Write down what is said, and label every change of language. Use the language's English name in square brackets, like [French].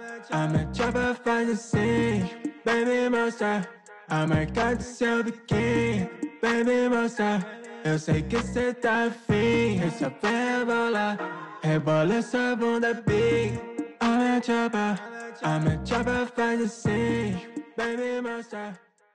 [English] I'm a chopper for the scene, baby monster. I might got to sell the king, baby monster. [Portuguese] Eu sei que cê tá afim, esse é pra rebolar. Rebola essa bunda big. [English] I'm a chopper, I'm a chopper for the scene, baby monster.